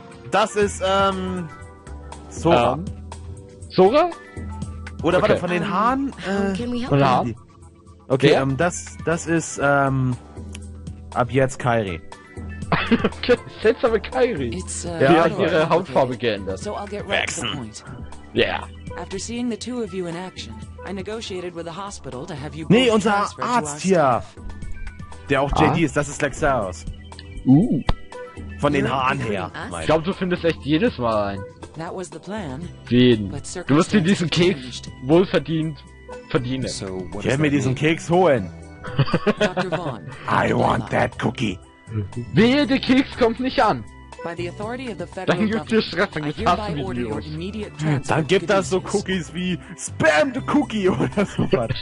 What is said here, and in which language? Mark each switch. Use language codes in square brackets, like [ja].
[de] Das ist, Sora. Sora? Oder warte, von den Haaren? Von den Haaren? Okay, das ist, ab jetzt Kairi. Seltsame Kairi. Die hat ihre Hautfarbe geändert. [en] So I'll get right to the point. Yeah. After seeing the two of you in action, I negotiated with the hospital to have you both transferred to our staff. [de] Nee, unser Arzt hier. Der auch JD ist, das ist Lexaros. Von den Haaren her. Ich glaube, du findest echt jedes Mal einen. [en] That was the plan. [de] Du wirst dir diesen Keks wohlverdient verdienen. So, ich werde mir diesen Keks holen. Dr. [en] Vaughn. I want that cookie. [de] Wehe, der Keks kommt nicht an. Dann gibt es Stress, dann gibt es Videos. Dann gibt das so Cookies wie Spam the Cookie oder sowas.